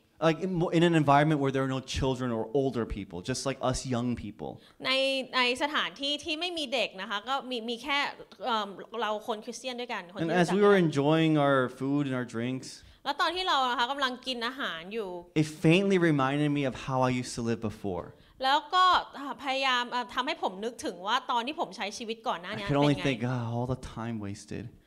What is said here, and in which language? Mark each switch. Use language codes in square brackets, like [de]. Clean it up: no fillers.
[en] Like in an environment where there are no children or older people, just like us young people. [th] ในสถานที่ที่ไม่มีเด็กนะคะก็มีแค่เราคนคริสเตียนด้วยกันคน [en] And as we were enjoying our food and our drinks, [th] แล้วตอนที่เรานะคะกำลังกินอาหารอยู่ [en] It faintly reminded me of how I used to live before. [th] แล้วก็พยายามทำให้ผมนึกถึงว่าตอนที่ผมใช้ชีวิตก่อนหน้านี้เป็นไง [en] I could only think, oh, all the time wasted.